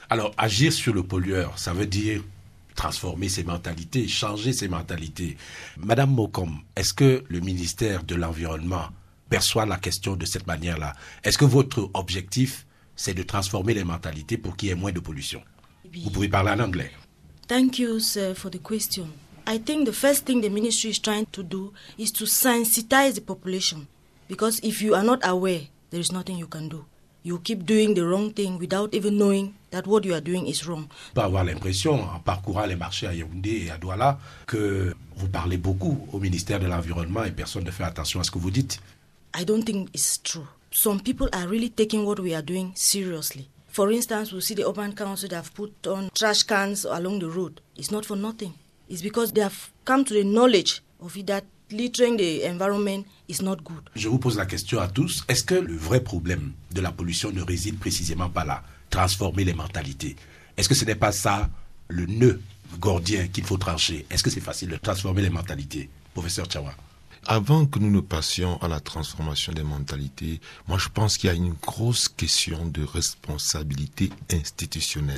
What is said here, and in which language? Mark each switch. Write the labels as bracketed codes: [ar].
[fr] Alors, agir sur le pollueur, ça veut dire transformer ses mentalités, changer ses mentalités. Madame Mokom, est-ce que le ministère de l'Environnement perçoit la question de cette manière-là? Est-ce que votre objectif, c'est de transformer les mentalités pour qu'il y ait moins de pollution? Oui. Vous pouvez parler en anglais. [en] Thank you, sir, for the question. I think the first thing the ministry is trying to do is to sensitize the population. Because if you are not aware, there is nothing you can do. You keep doing the wrong thing without even knowing that what you are doing is wrong. [fr] On peut avoir l'impression, en parcourant les marchés à Yaoundé et à Douala, que vous parlez beaucoup au ministère de l'Environnement et personne ne fait attention à ce que vous dites. [en] I don't think it's true. Some people are really taking what we are doing seriously. For instance, we see the urban council that have put on trash cans along the road. It's not for nothing. It's because they have come to the knowledge of it that littering the environment is not good. [fr] Je vous pose la question à tous. Est-ce que le vrai problème de la pollution ne réside précisément pas là? Transformer les mentalités. Est-ce que ce n'est pas ça le nœud gordien qu'il faut trancher? Est-ce que c'est facile de transformer les mentalités, professeur Tchawa? Avant que nous ne passions à la transformation des mentalités, moi je pense qu'il y a une grosse question de responsabilité institutionnelle.